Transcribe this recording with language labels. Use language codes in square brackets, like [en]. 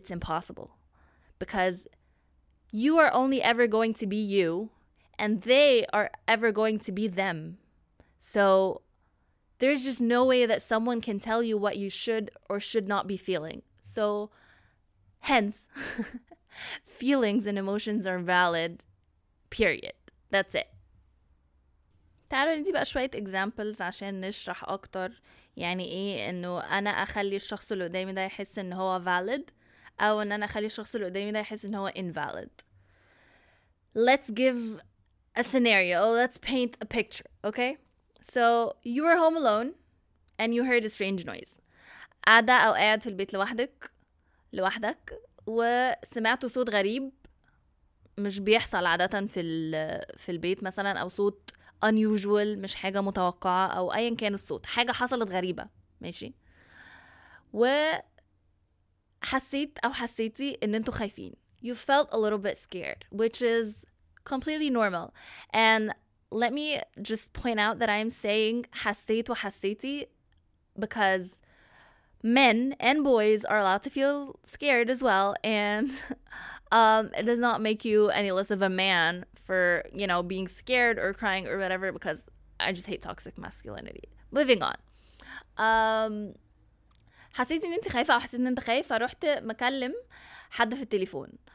[en] It's impossible, because you are only ever going to be you, and they are ever going to be them. So there's just no way that someone can tell you what you should or should not be feeling. So hence, feelings and emotions are valid, period. That's it. [ar] تعالوا ندي بقى شوية examples عشان نشرح أكتر يعني إيه إنه أنا أخلي الشخص اللي قدامي ده يحس إن هو valid أو إن أنا أخلي الشخص اللي قدامي ده يحس إن هو invalid. [en] Let's give a scenario. Let's paint a picture, okay? So you were home alone and you heard a strange noise. [ar] قاعدة أو قاعد في البيت لوحدك وسمعت صوت غريب مش بيحصل عادة في البيت مثلا, أو صوت unusual مش حاجة متوقعة, أو أيا كان الصوت حاجة حصلت غريبة ماشي, وحسيت أو حسيتي إن أنتوا خايفين. [en] You felt a little bit scared, which is completely normal. And let me just point out that I'm saying [ar] حسيت وحسيتي [en] because men and boys are allowed to feel scared as well, and it does not make you any less of a man for, you know, being scared or crying or whatever, because I just hate toxic masculinity. Moving on. [ar] حسيت ان انت خايفة او حسيت ان انت خايفة, فروحت مكلم حد في التليفون.